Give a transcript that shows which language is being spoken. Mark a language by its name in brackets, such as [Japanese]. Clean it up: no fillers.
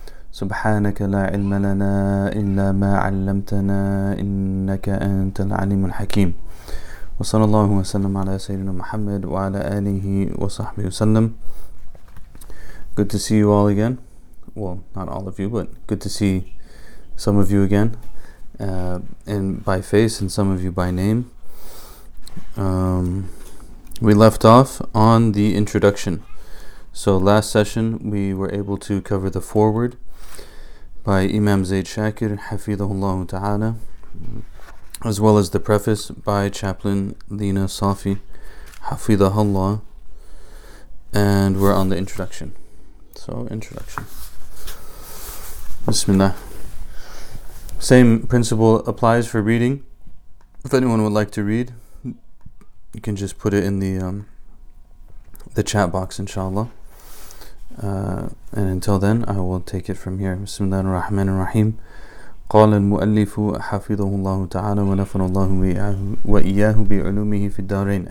[Arabic] سبحانك لا علم لنا إلا ما علمتنا إنك أنت العليم الحكيم وصلى الله وسلم على سيدنا محمد وعلى آله وصحبه وسلم. [English] Good to see you all again. Well, not all of you, but good to see some of you again, and by face and some of you by name. We left off on the introduction. So last session we were able to cover the foreword by Imam Zayd Shakir, Hafidhullah Ta'ala, as well as the preface by Chaplain Lina Safi, Hafidhullah, and we're on the introduction. So, introduction. Bismillah. Same principle applies for reading. If anyone would like to read, you can just put it in the chat box, inshallah. And until then, I will take it from here. [Arabic] Bismillah ar-Rahman ar-Rahim. قال المؤلف حفظه الله تعالى ونفر الله وإياه بعلومه في الدارين.